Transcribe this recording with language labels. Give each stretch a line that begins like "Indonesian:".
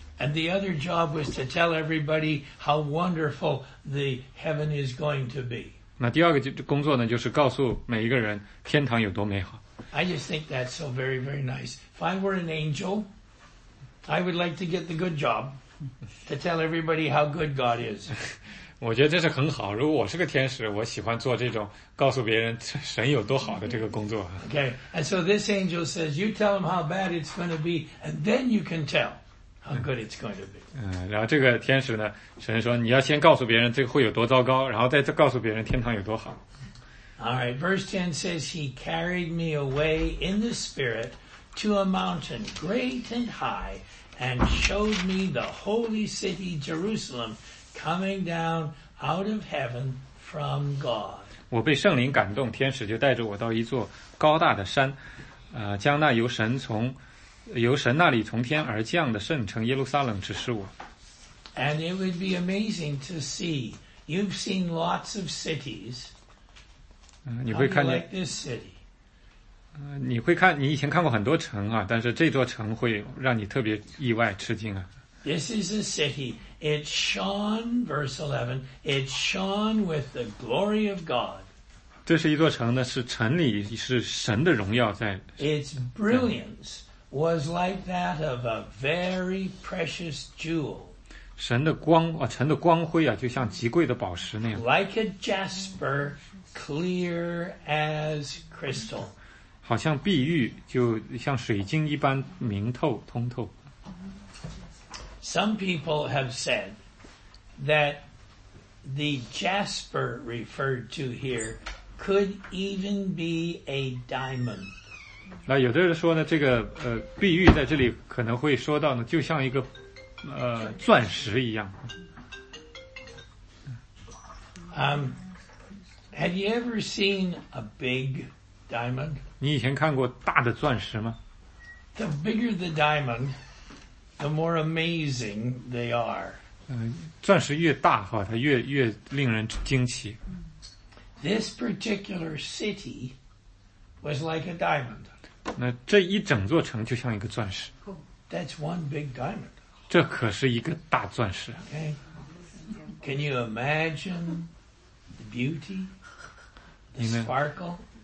English: And the other job was to tell everybody how wonderful the heaven is going to be.
Chinese: 那第二个工作呢，就是告诉每一个人天堂有多美好。
English: I just think that's so very, very nice. If I were an angel, I would like to get the good job to tell everybody how good God is.
Chinese: 我觉得这是很好。如果我是个天使，我喜欢做这种告诉别人神有多好的这个工作。
English: Okay, and so this angel says, you tell them how bad it's going to be, and then you can tell. How good it's going to be.
Chinese: 然后这个天使呢，神说你要先告诉别人这个会有多糟糕，然后再告诉别人天堂有多好。
English: All right, verse 10 says, He carried me away in the spirit to a mountain great and high and showed me the holy city Jerusalem coming down out of heaven from God.
Chinese: 我被圣灵感动，天使就带着我到一座高大的山，将那由神从由神那里从天而降的圣城耶路撒冷指示我。
English: And it would be amazing to see. You've seen lots of cities.
Chinese: 你会看见
English: like this city.
Chinese: 你会看，你以前看过很多城啊，但是这座城会让你特别意外吃惊啊。
English: This is a city. It shone, verse 11, it shone with the glory of God.
Chinese: 这是一座城呢，是城里是神的荣耀在。
English: It's brilliance. Was like that of a very precious jewel.
Chinese: 神的光啊，城的光辉啊，就像极贵的宝石那样。
English: Like a jasper, clear as crystal.
Chinese: 好像碧玉，就像水晶一般明透通透。
English: Some people have said that the jasper referred to here could even be a diamond.
Chinese: 那有的人说呢，这个碧玉在这里可能会说到呢，就像一个钻石一样。
English: Have you ever seen a big diamond?
Chinese: 你以前看过大的钻石吗
English: ？The bigger the diamond, the more amazing they are.
Chinese: 钻石越大哈，它越令人惊奇。
English: This particular city was like a diamond.
Chinese: 那这一整座城就像一个钻石。
English: That's one big diamond.
Chinese: 这可是一个大钻石。
English: Okay. Can you imagine the beauty, the sparkle?